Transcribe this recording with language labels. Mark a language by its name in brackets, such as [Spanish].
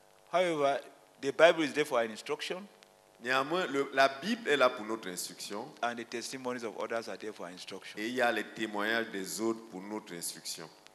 [English] However, the Bible is there for an instruction. [French] Néanmoins, la Bible est là pour notre instruction. [English] And the testimonies of others are there for instruction. [French] Et il y a les témoignages des autres pour notre instruction.